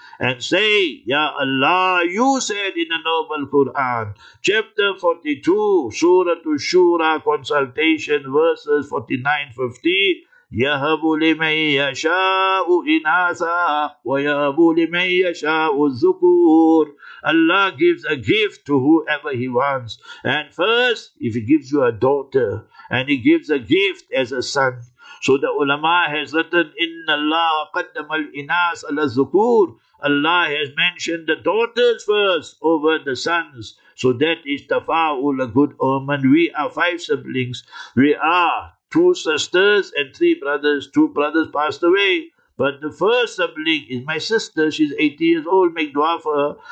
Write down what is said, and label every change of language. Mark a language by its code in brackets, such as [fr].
[en] And say, Ya Allah, you said in the Noble Quran, chapter 42, Surah Ash-Shura, consultation, verses 49-50, [ar] يَهَبُ لِمَنْ يَشَاءُ إِنَاثًا وَيَهَبُ لِمَنْ يَشَاءُ الذُّكُورُ. [en] Allah gives a gift to whoever He wants. And first, if He gives you a daughter, and He gives a gift as a son. So the ulama has written, [ar] إِنَّ اللَّهَ قَدَّمَ الْإِنَاثَ عَلَى الذُّكُورِ. [en] Allah has mentioned the daughters first over the sons. So that is tafa'ul, a good omen. We are five siblings. We are two sisters and three brothers. Two brothers passed away. But the first sibling is my sister. She's 80 years old. Make dua for her.